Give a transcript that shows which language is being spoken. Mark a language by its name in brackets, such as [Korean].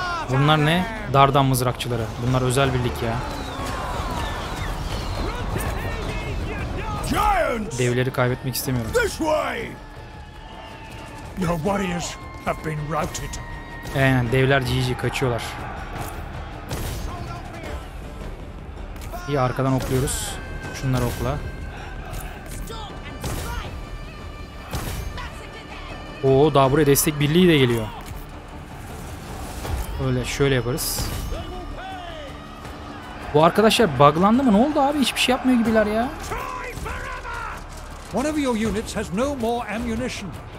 [Turkish] Bunlar ne? Dardan mızrakçıları. Bunlar özel birlik ya. Devleri kaybetmek istemiyorum. [English] Your warriors have been routed. [Turkish] Devler GG kaçıyorlar. İyi, arkadan okluyoruz. Şunları okla. Oo, daha buraya destek birliği de geliyor. Öyle şöyle yaparız. Bu arkadaşlar buglandı mı? Ne oldu abi? Hiçbir şey yapmıyor gibiler ya. [English] One of your units has no more ammunition.